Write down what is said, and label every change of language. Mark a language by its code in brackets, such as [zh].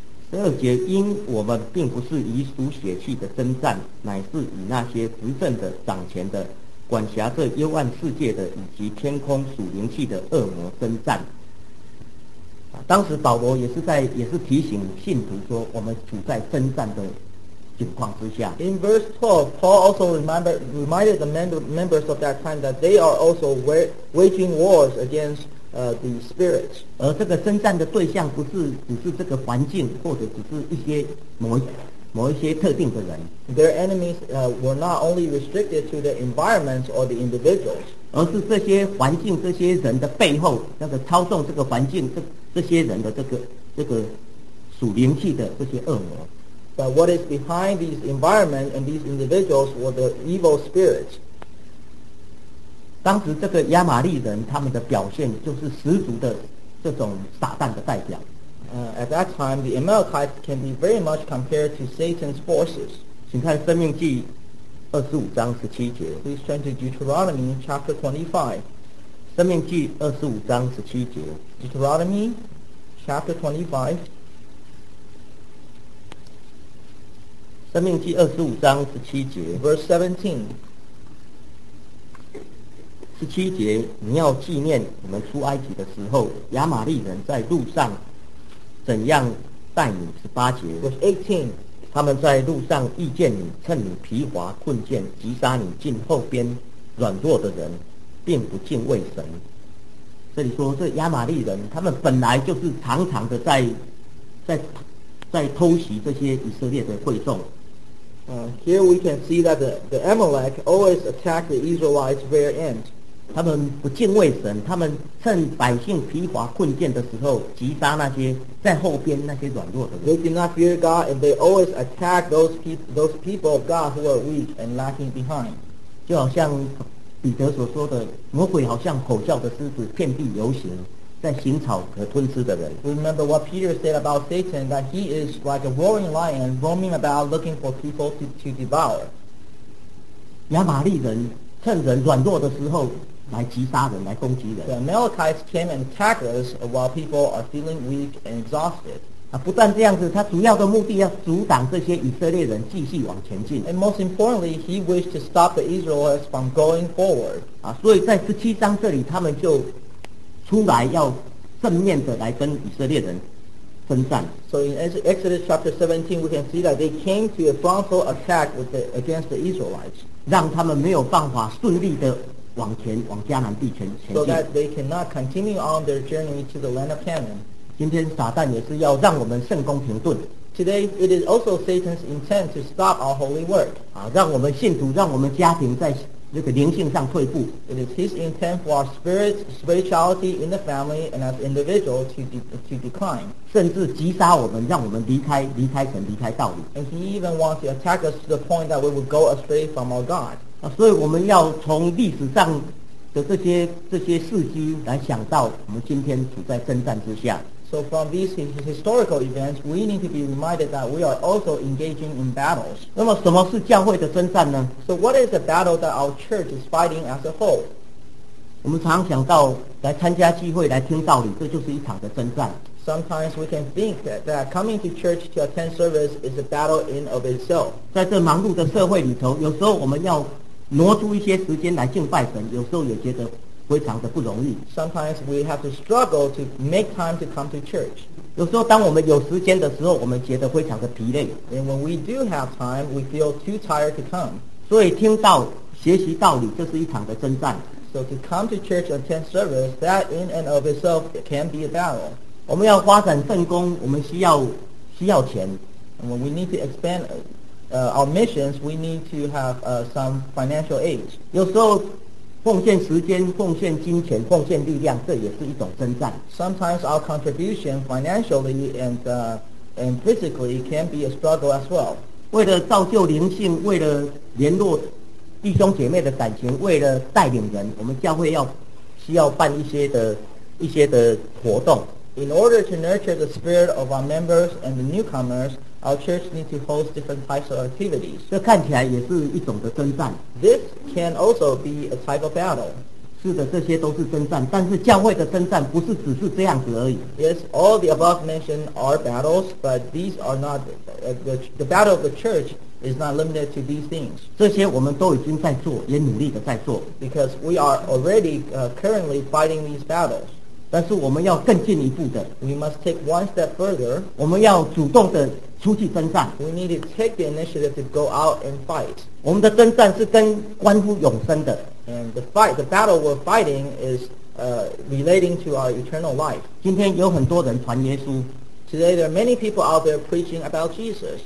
[zh] 十二节，因我们并不是以属血气的征战，乃是以那些执政的、掌权的、管辖这幽暗世界的以及天空属灵气的恶魔征战。当时保罗也是提醒信徒说，我们处在征战的情况之下。 [en] In verse 12, Paul also reminded the members of that time that they are also waging wars against the spirits. [zh] 而这个征战的对象不是只是这个环境，或者只是一些某一些特定的人。 [en] Their enemies were not only restricted to the environments or the individuals. [zh] 而是这些环境、这些人的背后，那个操纵这个环境、这些人的这个属灵气的这些恶魔。 [en] But what is behind these environments and these individuals were the evil spirits. [zh] 当时这个亚玛利人他们的表现就是十足的这种撒旦的代表。 [en] At that time, the Amalekites can be very much compared to Satan's forces. [zh] 请看《生命记》二十五章十七节。 [en] Please turn to Deuteronomy chapter 25. [zh] 生命记二十五章十七节。 [en] Deuteronomy chapter 25. [zh] 生命记二十五章十七节。 [en] Verse 17. [zh] 十七节，你要纪念你们出埃及的时候，亚玛利人在路上怎样待你。十八节 [en] ，verse 18， [zh] 他们在路上遇见你，趁你疲乏困倦，击杀你近后边软弱的人，并不敬畏神。这里说，这亚玛利人，他们本来就是常常的在偷袭这些以色列的会众。 [en] Here we can see that the Amalek always attack the Israelites' rear end. [zh] 他们不敬畏神，他们趁百姓疲乏困倦的时候击杀那些在后边那些软弱的人。 [en] They did not fear God, and they always attack those people of God who are weak and lacking behind. [zh] 就好像彼得所说的，魔鬼好像吼叫的狮子，遍地游行，在行草和吞吃的人。 [en] Remember what Peter said about Satan, that he is like a roaring lion, roaming about looking for people to devour. [zh] 亚玛利人趁人软弱的时候来击杀人，来攻击人。 [en] The Amalekites came and attacked us while people are feeling weak and exhausted. [zh] 啊，不但这样子，他主要的目的要阻挡这些以色列人继续往前进。 [en] And most importantly, he wished to stop the Israelites from going forward. [zh] 啊，所以在十七章这里，他们就出来要正面的来跟以色列人征战。 [en] So in Exodus chapter 17, we can see that they came to a frontal attack with the, against the Israelites. [zh] 让他们没有办法顺利的往前往迦南地前前进。 [en] So that they cannot continue on their journey to the land of Canaan. [zh] 今天撒旦也是要让我们圣功停顿。 [en] Today it is also Satan's intent to stop our holy work. [zh] 啊，让我们信徒，让我们家庭在那个灵性上退步。 [en] It is his intent for our spirits, spirituality in the family and as individual to decline. [zh] 甚至击杀我们，让我们离开神，离开道理。 [en] And he even wants to attack us to the point that we would go astray from our God. [zh] 啊，所以我们要从历史上的这些事迹来想到，我们今天处在征战之下。 [en] So from these historical events, we need to be reminded that we are also engaging in battles. [zh] 那么什么是教会的征战呢？ [en] So what is the battle that our church is fighting as a whole? [zh] 我们常想到来参加聚会来听道理，这就是一场的征战。 [en] Sometimes we can think that coming to church to attend service is a battle in of itself. [zh] 在这忙碌的社会里头，有时候我们要挪出一些时间来敬拜神，有时候也觉得非常的不容易。 [en] Sometimes we have to struggle to make time to come to church. [zh] 有时候当我们有时间的时候，我们觉得非常的疲累。 [en] And when we do have time, we feel too tired to come. [zh] 所以听到学习道理，这是一场的征战。 [en] So to come to church and attend service, that in and of itself can be a battle. [zh] 我们要发展圣工，我们需要钱。 [en] And when we need to expand our missions, we need to have some financial aid. [zh] 有时候奉献时间、奉献金钱、奉献力量，这也是一种征战。 [en] Sometimes our contribution financially and physically can be a struggle as well. [zh] 为了造就灵性，为了联络弟兄姐妹的感情，为了带领人，我们教会需要办一些的活动。 [en] In order to nurture the spirit of our members and the newcomers, our church needs to host different types of activities. [zh] 这看起来也是一种的征战。 [en] This can also be a type of battle. [zh] 是的，这些都是征战，但是教会的征战不是只是这样子而已。 [en] Yes, all the above mentioned are battles, but these are not, the battle of the church is not limited to these things. [zh] 这些我们都已经在做，也努力的在做。 [en] Because we are already currently fighting these battles. [zh] 但是我们要更进一步的， [en] we must take one step further. [zh] 我们要主动的出去征战， [en] we need to take the initiative to go out and fight. [zh] 我们的征战是跟关乎永生的， [en] and the battle we're fighting is relating to our eternal life. [zh] 今天有很多人传耶稣， [en] today there are many people out there preaching about Jesus.